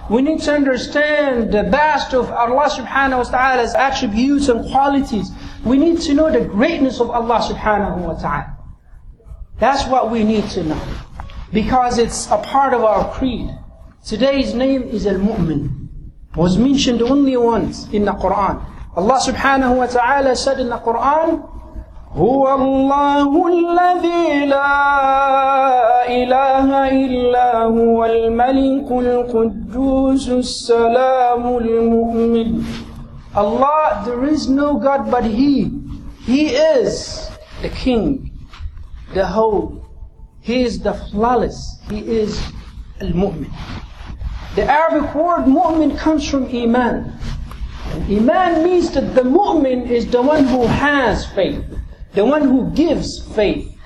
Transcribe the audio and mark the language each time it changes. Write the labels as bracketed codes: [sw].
[en] We need to understand the best of Allah subhanahu wa ta'ala's attributes and qualities. We need to know the greatness of Allah subhanahu wa ta'ala. That's what we need to know. Because it's a part of our creed. Today's name is Al-Mu'min. Was mentioned only once in the Qur'an. Allah subhanahu wa ta'ala said in the Qur'an, [ar] هو الله الذي لا إله إلا هو الملك القدوس السلام المؤمن. [en] Allah, there is no God but He. He is the King, the Whole. He is the flawless. He is المؤمن. The Arabic word مؤمن comes from إيمان. إيمان means that the مؤمن is the one who has faith. The one who gives faith.